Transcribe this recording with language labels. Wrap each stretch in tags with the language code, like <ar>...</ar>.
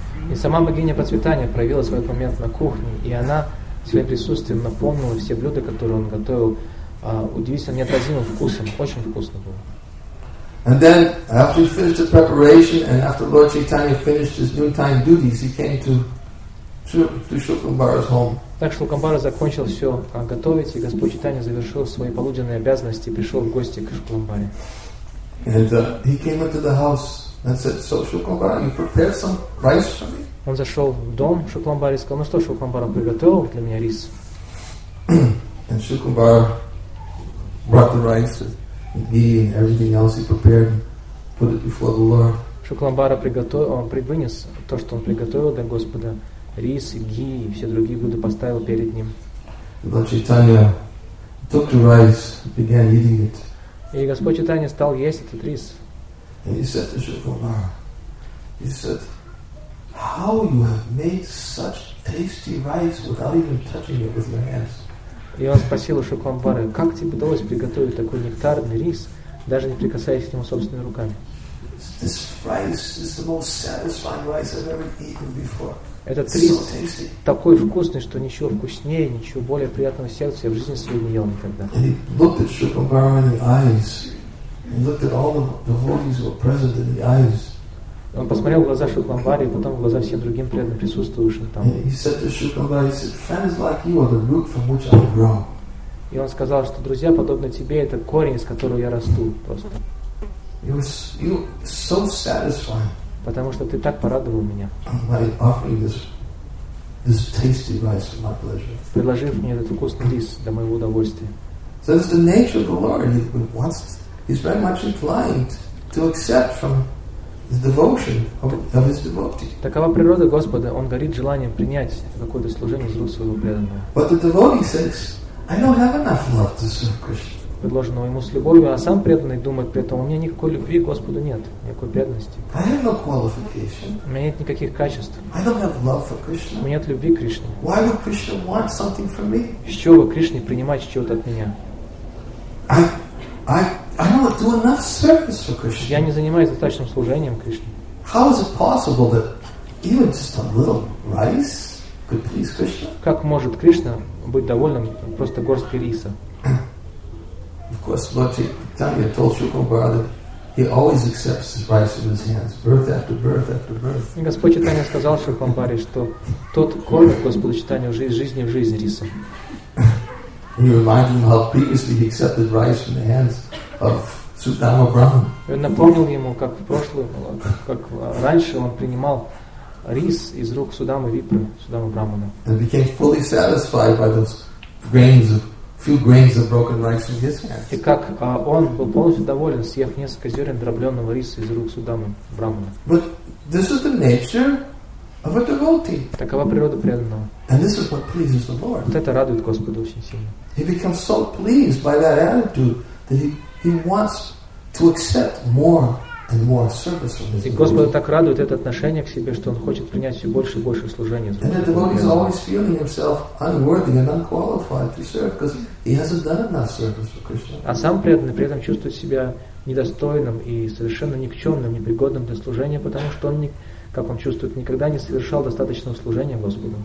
<ru>И сама богиня процветания проявила свой момент на кухне, и она своим присутствием наполнила все блюда, которые он готовил, удивительно неотразимым вкусом. Очень вкусно было.</ru> <en>And then, after he finished the preparation, and after Lord Chaitanya finished his noontime duties, he came to Shukumbhara's home.</en> <ru>Так Шукламбара закончил все готовить, и Господь Чайтанья завершил свои полуденные обязанности и пришел в гости к Шукламбаре.</ru> <en>And he came into the house. And said, "So, Shukumbhara, you prepared some rice for me?"</en> <ru>Он зашел в дом Шукламбары и сказал, "Ну что, Шукламбара, приготовил для меня рис?"</ru> <en>And Shukumbhara brought the rice and ghee and everything else he prepared and put it before the Lord.</en> <ru>Шукламбара вынес то, что он приготовил для Господа, рис, ги и все другие блюда поставил перед ним.</ru> <en>Lord Chaitanya took the rice and began eating it.</en> <ru>И Господь Чайтанья стал есть этот рис.</ru> <en>And he said to Shukumbhara, he said, "How you have made such tasty rice without even touching it with your hands?"</en> <ru>И он спросил у Шукламбары, как тебе удалось приготовить такой нектарный рис, даже не прикасаясь к нему собственными руками?</ru> <en>This rice is the most satisfying rice I've ever eaten before.</en> <ru>Этот рис такой вкусный, что ничего вкуснее, ничего более приятного сердца я в жизни своей не ел никогда.</ru> <en>And he looked at Shukumbhara in the eyes. He looked at all the devotees who were present in the eyes.</en> <ru>Он посмотрел в глаза Шукламбаре, и потом в глаза всем другим преданным присутствующим там.</ru> <en>He said to Shukumbhara, he said, "Friends like you are the root from which I grow."</en> <ru>И он сказал, что друзья подобно тебе это корень, из которого я расту просто.</ru> <en>You were so satisfied.</en> <ru>Потому что ты так порадовал меня.</ru> <en>By offering this tasty rice for my pleasure.</en> <ru>Предложив мне этот вкусный рис для моего удовольствия.</ru> <en>So it's the nature of the Lord. He wants. He's very much inclined to accept from his devotion of his devotee.</en> <ru>Такова природа Господа. Он горит желанием принять какое-то служение из рук своего преданного.</ru> <en>But the devotee says, "I don't have enough love to serve Krishna."</en> <ru>предложенного ему с любовью, а сам преданный думает при этом, у меня никакой любви к Господу нет, никакой бедности.</ru> <en>I have no qualification.</en> <ru>У меня нет никаких качеств.</ru> <en>I don't have love for Krishna.</en> <ru>У меня нет любви к Кришне.</ru> <en>Why would Krishna want something from me?</en> <ru>С чего Кришне принимать чего-то от меня?</ru> <en>I don't do enough service for Krishna.</en> <ru>Я не занимаюсь достаточным служением Кришне.</ru> <en>How is it possible that even just a little rice could please Krishna?</en> <ru>Как может Кришна быть довольным просто горсткой риса?</ru> <en>Of course, Lord Chaitanya told Shri Gopal that he always accepts his rice in his hands, birth after birth after birth.</en> <ru>И Господь Читания сказал Шри Гопале, что тот кормит Господа Читанию жизни в жизнь рисом.</ru> <en>He reminded him how previously he accepted rice from the hands of Sudama Brahman.</en> <ru>И он напомнил ему, как в прошлом, как раньше он принимал рис из рук Судамы Випры, Судамы Брахмана.</ru> <en>And became fully satisfied by those grains of few grains of broken rice in his hands.</en> <ru>И как он был полностью доволен, съев несколько зерен дробленного риса из рук Судамы Брахмана.</ru> <en>But this is the nature of a devotee.</en> <ru>Такова природа преданного.</ru> <en>And this is what pleases the Lord.</en> <ru>Вот это радует Господа очень сильно.</ru> <en>He becomes so pleased by that attitude that he wants to accept more and more service from his devotees.</en> <ru>И Господа так радует это отношение к себе, что он хочет принять все больше и больше служения.</ru> <en>And the devotee is always feeling himself unworthy and unqualified to serve because he hasn't done enough service for Krishna.</en> <ru>А сам преданный при этом чувствует себя недостойным и совершенно никчемным, непригодным для служения, потому что он, не, как он чувствует, никогда не совершал достаточного служения Господу.</ru>